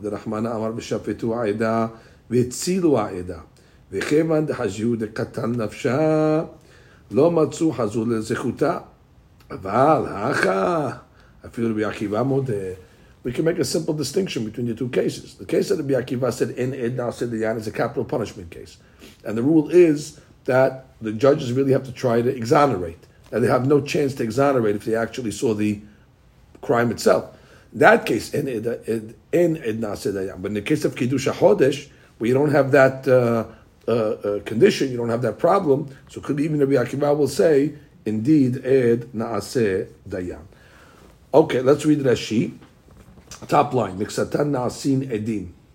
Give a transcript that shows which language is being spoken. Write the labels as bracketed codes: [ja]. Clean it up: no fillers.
[he] The Rahmana amar b'shafetu ha'eda, ויצילו העדה, וכיוון דחזיהו דקטן נפשה, לא מצאו חזו לזכותה. אבל, אחא, אפילו רבי עקיבא מודה. [en] We can make a simple distinction between the two cases. The case that רבי עקיבא said, [he] אין עד נעשה דיין, [en] is a capital punishment case. And the rule is that the judges really have to try to exonerate. And they have no chance to exonerate if they actually saw the crime itself. In that case, [he] אין עד נעשה דיין. [en] But in the case of קידוש החודש, we don't have that condition, you don't have that problem. So could even Rabbi Akiva will say, indeed, ed na'aseh dayan. Okay, let's read Rashi. Top line, miksatan na'asin edim.